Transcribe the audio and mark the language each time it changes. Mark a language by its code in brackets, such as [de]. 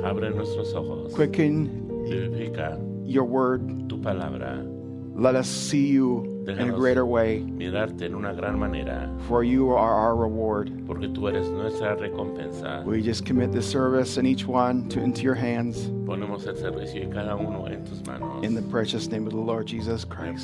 [es] Abre nuestros ojos. [en] Quicken [es] vivifica [en] your word. [es] Tu palabra. [en] Let us see you [es] Déjanos [en] in a greater way. [es] Mirarte en una gran manera. [en] For you are our reward. [es] Porque tú eres nuestra recompensa. [en] We just commit the service and each one to into your hands. [es] Ponemos el servicio y cada uno en tus manos. [en] In the precious name of the Lord Jesus Christ.